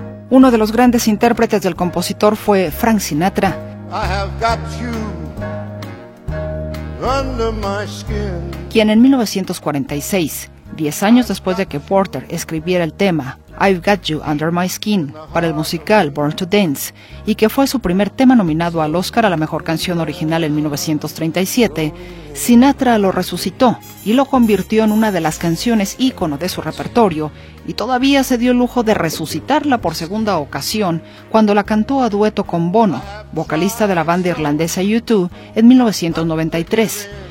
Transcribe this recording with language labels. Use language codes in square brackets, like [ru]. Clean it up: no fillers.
[es] Uno de los grandes intérpretes del compositor fue Frank Sinatra. [en] I have got you under my skin. [es] Quien en 1946, 10 años después de que Porter escribiera el tema I've Got You Under My Skin para el musical Born to Dance, y que fue su primer tema nominado al Oscar a la mejor canción original en 1937, Sinatra lo resucitó y lo convirtió en una de las canciones ícono de su repertorio, y todavía se dio el lujo de resucitarla por segunda ocasión cuando la cantó a dueto con Bono, vocalista de la banda irlandesa U2, en 1993.